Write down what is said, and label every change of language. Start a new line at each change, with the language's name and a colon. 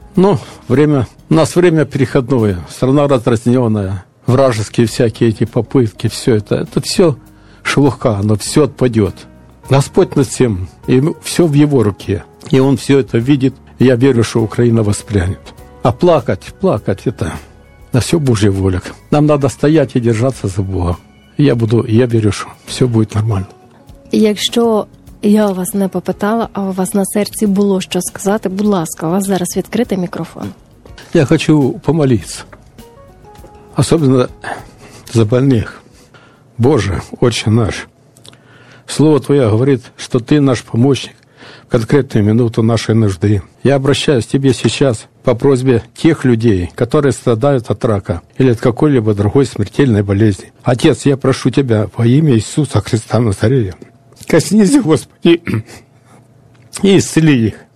Russian: Но время, у нас время переходное, страна раздразненная, вражеские всякие эти попытки, все это все шелуха, оно все отпадет. Господь над всем, и все в Его руке, и Он все это видит. Я верю, что Украина воспрянет. А плакать это... На все Божья воля. Нам надо стоять и держаться за Бога.
Ukrainian: Я верю, що все буде нормально. Якщо я вас не попитала, а у вас на серці було що сказати, будь ласка, у вас зараз відкритий мікрофон. Я хочу помолитися. Особливо за больних. Боже, Отче наш, Слово Твоє говорить, що Ти наш помощник в конкретну минуту нашої нужди.
Russian: Я обращаюсь к Тебе сейчас по просьбе тех людей, которые страдают от рака или от какой-либо другой смертельной болезни. Отец, я прошу Тебя во имя Иисуса Христа Назарея, коснись, Господи, и исцели их.